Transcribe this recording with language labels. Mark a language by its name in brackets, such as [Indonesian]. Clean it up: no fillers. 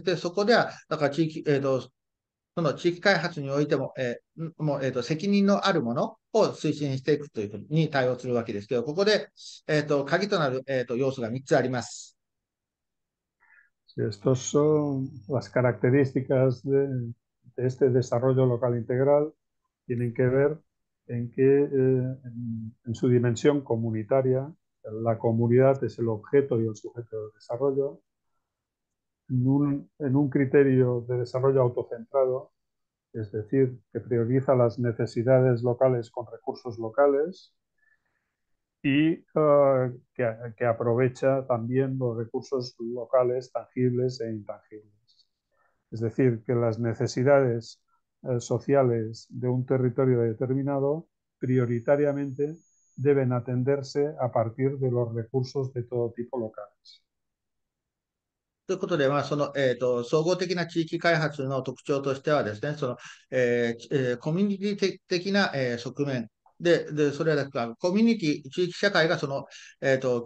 [Japanese] で、そこでは、だから地域、その地域開発においても、責任のあるものを推進していくというふうに対応するわけですけど、ここで、鍵となる、要素が3つあります。 [Spanish] Sí, estas son las características de este desarrollo local integral. Tienen que ver en que en su dimensión comunitaria, la comunidad es el objeto y el sujeto del desarrollo. En un criterio de desarrollo autocentrado, es decir, que prioriza las necesidades locales con recursos locales y que aprovecha también los recursos locales tangibles e intangibles. Es decir, que las necesidades sociales de un territorio determinado prioritariamente deben atenderse a partir de los recursos de todo tipo locales. [Japanese] ということで、まあ、その、総合的な地域開発の特徴としてはですね、その、コミュニティ的な、側面で、それはだから、コミュニティ、地域社会がその、開